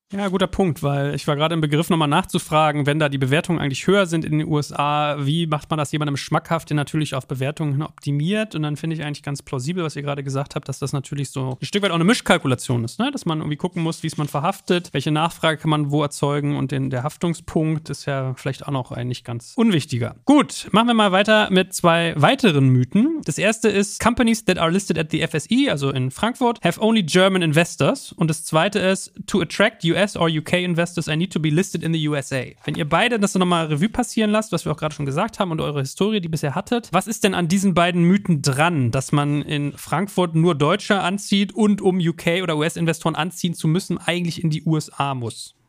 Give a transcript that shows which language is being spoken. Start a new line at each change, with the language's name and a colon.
German: Ja, guter Punkt, weil ich war gerade im Begriff, nochmal nachzufragen, wenn da die Bewertungen eigentlich höher sind in den USA, wie macht man das jemandem schmackhaft, der natürlich auf Bewertungen optimiert? Und dann finde ich eigentlich ganz plausibel, was ihr gerade gesagt habt, dass das natürlich so ein Stück weit auch eine Mischkalkulation ist, ne? Dass man irgendwie gucken muss, wie es man verhaftet, welche Nachfrage kann man wo erzeugen, und der Haftungspunkt ist ja vielleicht auch noch eigentlich ganz unwichtiger. Gut, machen wir mal weiter mit zwei weiteren Mythen. Das erste ist,
English: Companies that are listed at the FSE,
German: also in Frankfurt,
English: have only German investors.
German: Und das zweite ist,
English: to attract US or UK investors, I need to be listed in the USA.
German: Wenn ihr beide das nochmal Revue passieren lasst, was wir auch gerade schon gesagt haben, und eure Historie, die ihr bisher hattet, was ist denn an diesen beiden Mythen dran, dass man in Frankfurt nur Deutsche anzieht und um UK oder US-Investoren anziehen zu müssen, eigentlich in die USA muss?